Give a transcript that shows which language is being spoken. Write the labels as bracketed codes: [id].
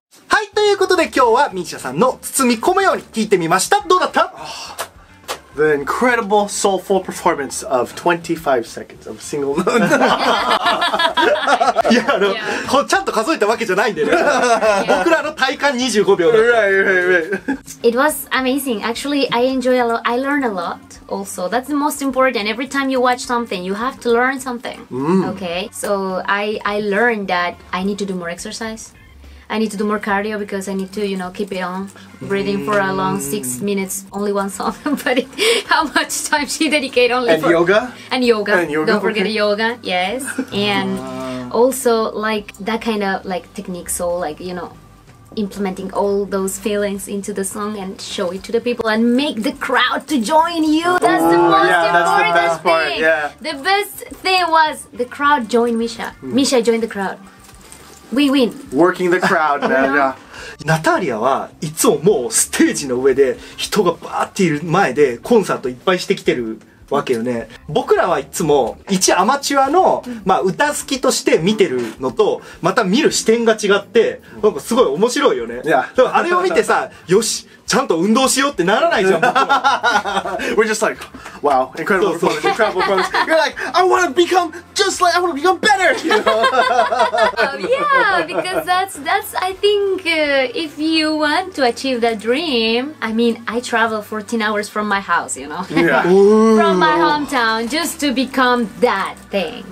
[ja] はい、ということで今日はミシャさんの包み込むように聞いてみました。どうだった？ [en] The incredible soulful performance of 25 seconds of single note. [ja] いや、あの、 ちゃんと数えたわけじゃないんでね。僕らの体感25秒だった。 [en] Right. It was amazing. Actually, I enjoy a lot. I learn a lot also. That's the most important. Every time you watch something, you have to learn something. Okay? So I learned that I need to do more exercise. I need to do more cardio because I need to, you know, keep it on breathing for a long 6 minutes, only one song. But how much time she dedicate only and for... Yoga? And yoga. And yoga. Don't forget yoga, yes. And also, like, that kind of, like, technique, so, like, you know, implementing all those feelings into the song and show it to the people and make the crowd to join you. That's the most important that's the best thing. Part, yeah. The best thing was the crowd joined Misha. Misha joined the crowd. We win. Working the crowd, man. Yeah. [ja] ナタリアはいつももうステージの上で人がバーっている前でコンサートいっぱいしてきてるわけよね。僕らはいつも一アマチュアの、まあ、歌好きとして見てるのとまた見る視点が違ってなんかすごい面白いよね。 [en] Yeah. [ja] あれを見てさ、よし、ちゃんと運動しようってならないじゃん。 [en] We're just like, wow, incredible performance, incredible performance. You're like, I want to become just like, I want to become better. You know? Yeah, because that's I think if you want to achieve that dream, I mean, I travel 14 hours from my house, you know, from my hometown just to become that thing.